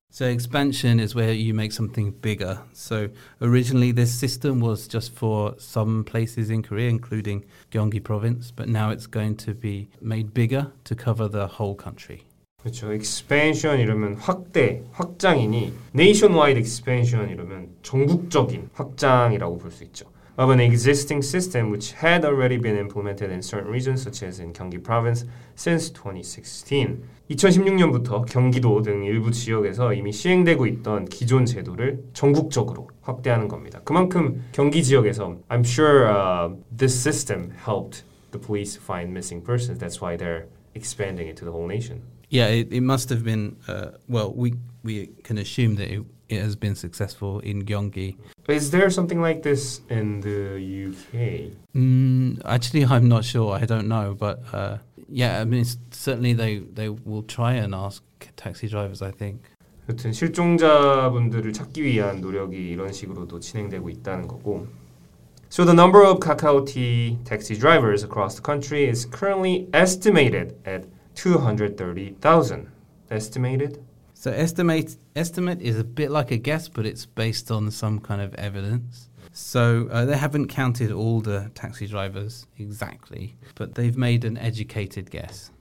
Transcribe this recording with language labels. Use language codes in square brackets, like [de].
[en] So expansion is where you make something bigger. So originally this system was just for some places in Korea, including Gyeonggi province, but now it's going to be made bigger to cover the whole country. [ko] 그렇죠. Expansion 이러면 확대, 확장이니 nationwide expansion 이러면 전국적인 확장이라고 볼 수 있죠. [en] Of an existing system which had already been implemented in certain regions such as in Gyeonggi province since 2016. [ko] 2016년부터 경기도 등 일부 지역에서 이미 시행되고 있던 기존 제도를 전국적으로 확대하는 겁니다. [en] 그만큼 경기 지역에서 I'm sure this system helped the police find missing persons. That's why they're expanding it to the whole nation. Yeah, it must have been, we can assume that it has been successful in Gyeonggi. Is there something like this in the UK? Actually, I'm not sure. I don't know. But certainly they will try and ask taxi drivers, I think. [ko] 여튼 실종자분들을 찾기 위한 노력이 이런 식으로도 진행되고 있다는 거고. [en] So the number of KakaoTea taxi drivers across the country is currently estimated at 230,000. Estimated? So estimate is a bit like a guess, but it's based on some kind of evidence. So they haven't counted all the taxi drivers exactly, but they've made an educated guess.